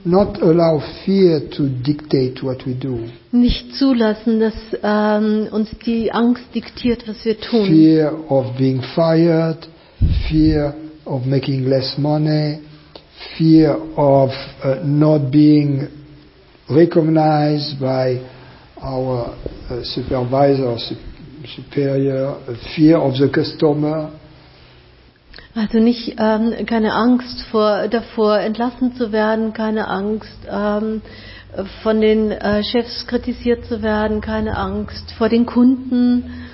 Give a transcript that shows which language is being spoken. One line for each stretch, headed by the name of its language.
English: Not allow fear to dictate what we do.
German: Nicht zulassen, dass uns die Angst diktiert, was wir tun.
English: Fear of being fired, fear of making less money, fear of not being recognized by our supervisor or superior, fear of the customer.
German: Also nicht keine Angst davor, entlassen zu werden, keine Angst von den Chefs kritisiert zu werden, keine Angst vor den Kunden.